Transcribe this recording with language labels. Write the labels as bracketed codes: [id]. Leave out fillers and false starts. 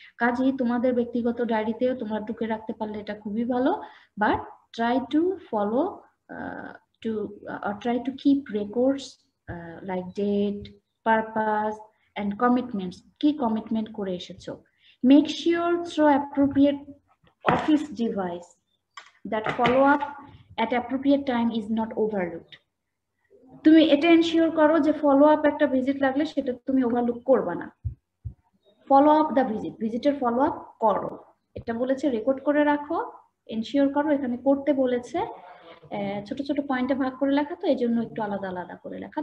[bn] কাজেই তোমাদের ব্যক্তিগত ডায়েরিতেও তোমরা টুকে রাখতে পারলে এটা খুবই ভালো, [en] but try to follow to or try to keep records like date, purpose and commitments, [bn] কি কমিটমেন্ট করে এসেছো। [en] Make sure through appropriate office device, that follow up at appropriate time is not overlooked. [bn] তুমি এটা ensure করো যে follow up একটা visit লাগলে সেটা তুমি ওভারলুক করবে না. [en] follow up the visit, [bn] ভিজিটের ফলোআপ করো. এটা বলেছে রেকর্ড করে রাখো, এনশিওর করো. এখানে করতে বলেছে ছোট ছোট পয়েন্টে ভাগ করে লেখা, তো এজন্য একটু আলাদা আলাদা করে লেখা.